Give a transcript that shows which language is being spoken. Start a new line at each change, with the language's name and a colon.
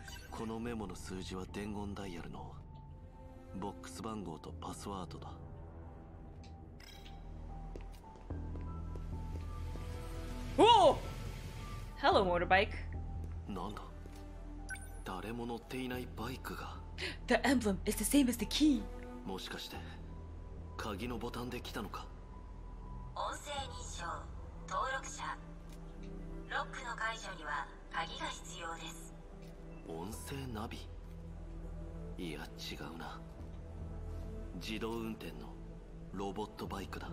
Japanese: このメモの数字は伝言ダイヤルのボックス番号とパスワードだ。
English: おお。Hello, motorbike.
Japanese: なんだ。誰も乗っていないバイクが。
English: The emblem is the same as the key.
Japanese: もしかして鍵のボタンで来たのか。音声認証登録者、ロックの解除には鍵が必要です。音声ナビ、いや違うな、自動運転のロボットバイクだ。